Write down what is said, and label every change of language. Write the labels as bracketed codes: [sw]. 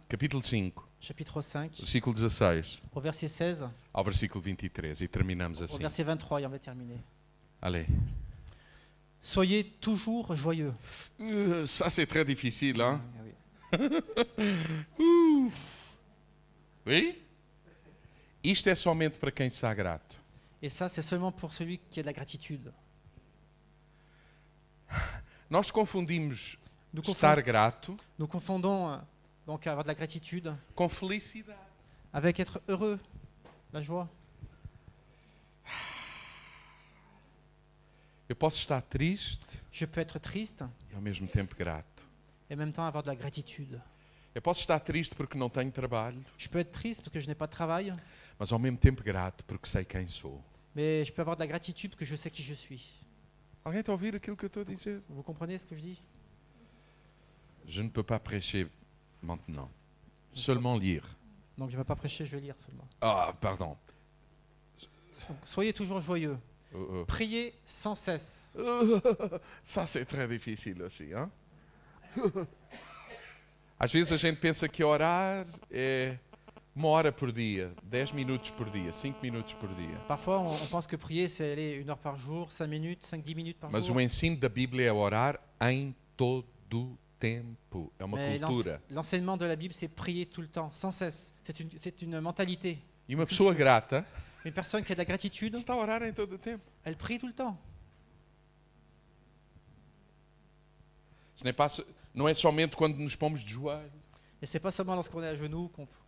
[pt] capitulo 5. [fr] Chapitre 5. [pt] Versículo 16. [fr] Au verset 16. Au [pt] versículo 23 et terminamos assim. [fr] Au verset 23 et on va terminer. Allez. Soyez toujours joyeux. Ça c'est très difficile, hein? Oui? [pt] Isto é somente para quem está grato. [fr] Et ça c'est seulement pour celui qui a de la gratitude. [pt] Nós confundimos estar grato. [fr] Nous confondons donc avoir de la gratitude. [pt] Com felicidade. [fr] Avec être heureux. La joie. [pt] Eu posso estar triste. [fr] Je peux être triste. [pt] E ao mesmo tempo grato. [fr] Et en même temps avoir de la gratitude. [pt] Eu posso estar triste porque não tenho trabalho. [fr] Je peux être triste parce que je n'ai pas de travail. [pt] Mas ao mesmo tempo grato porque sei quem sou. [fr] Mais je peux avoir de la gratitude parce que je sais qui je suis. [pt] Alguém está a ouvir aquilo que eu estou a dizer? [fr] Vous comprenez ce que je dis? Je ne peux pas prêcher maintenant. Seulement lire. Donc je ne vais pas prêcher, je vais lire seulement. Ah, oh, pardon. Soyez toujours joyeux. Priez sans cesse. Ça, c'est très difficile aussi. Hein? [pt] Às vezes a gente pensa que orar é uma hora por dia, 10 minutos por dia, 5 minutos por dia. [fr] Parfois, on pense que prier, c'est aller une heure par jour, 5 minutes, 5, 10 minutes par [pt] Mas [fr] jour. [pt] Mas o ensino da Bíblia é orar em todo o tempo. É uma [fr] Mais [pt] cultura. [fr] L'enseignement de la Bible, c'est prier tout le temps, sans cesse. C'est une mentalité. [pt] E uma pessoa grata. [fr] Une personne qui a de la gratitude. [pt] Está a orar em todo o tempo. [fr] Elle prie tout le temps. Ce n'est pas, [pt] não é somente quando nos pomos de joelhos. [fr] Mais c'est pas seulement lorsqu'on est à genoux qu'on